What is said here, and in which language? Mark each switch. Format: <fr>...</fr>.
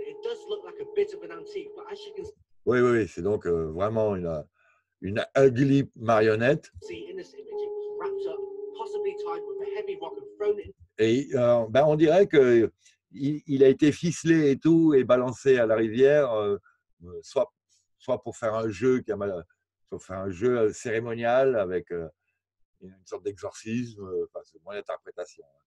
<en>It does look like a bit of an antique, but as you can see.</en> <fr>Oui, c'est donc vraiment une</fr> <en>ugly</en> <fr>marionnette.</fr> <en>See, in this image, it was wrapped up, possibly tied with a heavy rock and thrown in.</en> <fr>Et ben on dirait que. Il a été ficelé et tout et balancé à la rivière, soit pour faire un jeu qui a mal, soit pour faire un jeu cérémonial avec une sorte d'exorcisme, enfin, c'est mon interprétation.</fr>